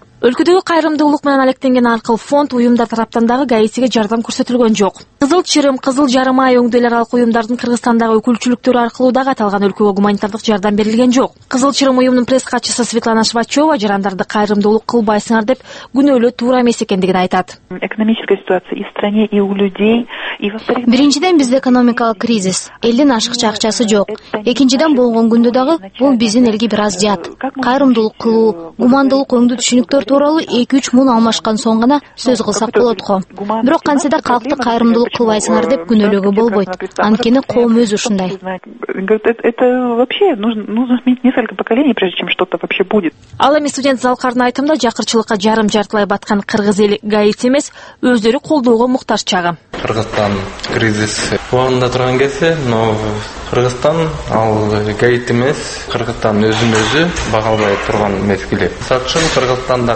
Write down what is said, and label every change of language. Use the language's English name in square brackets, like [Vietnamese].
[Kyrgyz] Өлкөдөгү кайрымдуулук менен алектенген аркыл фонд уюмдар тараптан дагы гаитиге жардам көрсөтүлгөн жок. Кызыл чырым, кызыл жарым ай өңдөөлөр аркылуу уюмдардын Кыргызстандагы өкүлчүлүктөрү аркылуу дагы аталган өлкөгө гуманитардык жардам берилген жок. Кызыл чырым уюмунун пресс катчысы Светлана Швачева жарандарды кайрымдуулук кылбайсыңар деп күнөөлөө туура эмес экендигин айтат. [Russian] Экономическая ситуация и в стране, и у людей. [Kyrgyz] Биринчиден бизде экономикалык кризис, элдин ашыкча акчасы жок. Экинчиден болгон күндө дагы бул биздин элге бир аз жат. Кайрымдуулук кылуу, гумандуулук өңдүү түшүнүктөр тууралуу 2-3 муун алмашкан соң гана сөз кылсак болот го. Бирок кантсе да калкты кайрымдуулук кылбайсыңар деп күнөөлөгө болбойт. Анткени коом өзү ушундай. [Russian] Это вообще нужно сменить несколько поколений, прежде чем что-то вообще будет. [Kyrgyz] Ал эми студент залкардын айтымында жакырчылыкка жарым жартылай баткан кыргыз эли гаити эмес, өздөрү колдоого муктаж чагы. Кыргызстан кризис планында турган кезде, но Кыргызстан ал гаити эмес, Кыргызстан өзүн өзү багалбай турган мезгили. Мисалы үчүн Кыргызстанда